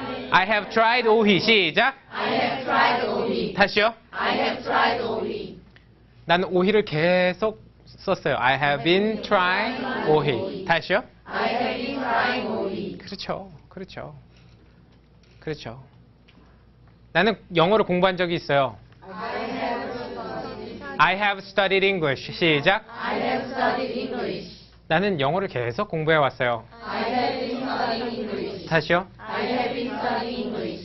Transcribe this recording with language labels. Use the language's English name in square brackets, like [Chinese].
[English] I have tried 오희. [Korean] 시작. [English] I have tried 오희. [Korean] 다시요. [English] I have tried 오희. [Korean] 나는 오희를 계속 썼어요. [English] I have been trying 오희. [Korean] 다시요. [English] I have been trying 오희. [Korean] 그렇죠. 그렇죠. 그렇죠. 나는 영어를 공부한 적이 있어요. [English] I have studied English. [Korean] 시작. [English] I have studied English. [Korean] 나는 영어를 계속 공부해 왔어요. [English] I have been studying English. [Korean] 다시요. [English] I have been studying English.